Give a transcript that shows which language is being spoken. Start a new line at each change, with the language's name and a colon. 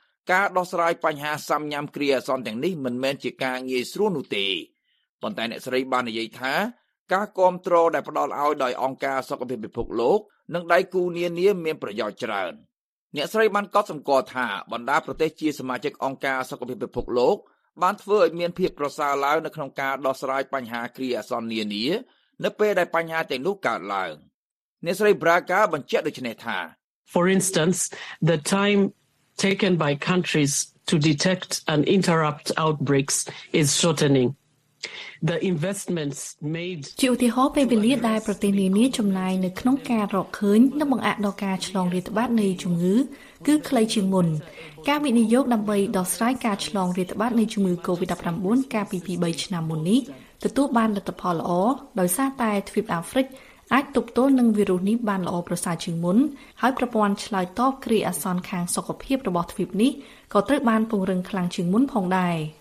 Khmer: ការដោះស្រាយបញ្ហាសំញាំគ្រាអាសន្នទាំងនេះមិនមែនជាការងាយស្រួលនោះទេប៉ុន្តែអ្នកស្រីបាននិយាយថាការគ្រប់គ្រងដែលផ្ដល់ឲ្យដោយអង្គការសុខភាពពិភពលោកនិងដៃគូនានាមានប្រយោជន៍ច្រើនអ្នកស្រីបានកត់សម្គាល់ថាបណ្ដាប្រទេសជាសមាជិកអង្គការសុខភាពពិភពលោកបានធ្វើឲ្យមានភាពប្រសើរឡើងនៅក្នុងការដោះស្រាយបញ្ហាគ្រាអាសន្ននានានៅពេលដែលបញ្ហាទាំងនោះកើតឡើងអ្នកស្រី Braga បញ្ជាក់ដូចនេះថា
English: For instance the time taken by countries to detect and interrupt outbreaks is shortening the investments made
Khmer: ជាឧទាហរណ៍ពេលវេលាដែលប្រទេសនានាចំណាយនៅក្នុងការរកឃើញនិងបង្អាក់ដល់ការឆ្លងរាតត្បាតនៃជំងឺគឺខ្លីជាងមុនការវិនិយោគដើម្បីដោះស្រាយការឆ្លងរាតត្បាតនៃជំងឺ COVID-19 កាលពី3ឆ្នាំមុននេះទទួលបានលទ្ធផលល្អដោយសារតែទ្វីបអាហ្វ្រិកអាចទប់ទល់នឹងវីរុសនេះបានល្អប្រសើរជាងមុនហើយប្រព័ន្ធឆ្លើយតបគ្រាអាសន្នខាងសុខភាពរបស់ទ្វីបនេះក៏ត្រូវបានពង្រឹងខ្លាំងជាងមុនផងដែរ